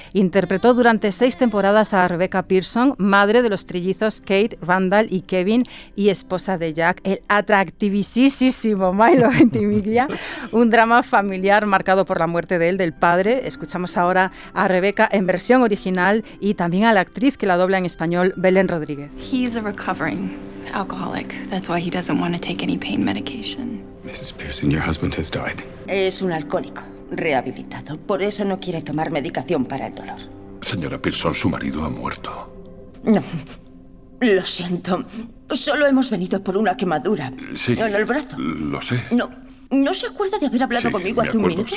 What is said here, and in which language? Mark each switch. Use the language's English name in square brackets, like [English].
[Spanish] Interpretó durante 6 temporadas a Rebecca Pearson, madre de los trillizos Kate, Randall y Kevin, y esposa de Jack, el atractivisísimo Milo Ventimiglia, un drama familiar marcado por la muerte de él, del padre. Escuchamos ahora a Rebecca en versión original y también a la actriz que la dobla en español, Belén Rodríguez. [English] He's a recovering alcoholic. That's why he doesn't want to take any pain medication. Mrs. Pearson, your husband has died. [Spanish] Es un alcohólico rehabilitado. Por eso no quiere tomar medicación para el dolor. Señora Pearson, su marido ha muerto. No. Lo siento. Solo hemos venido por una quemadura. Sí. En el brazo. Lo sé. No. ¿No se acuerda de haber hablado conmigo hace un minuto?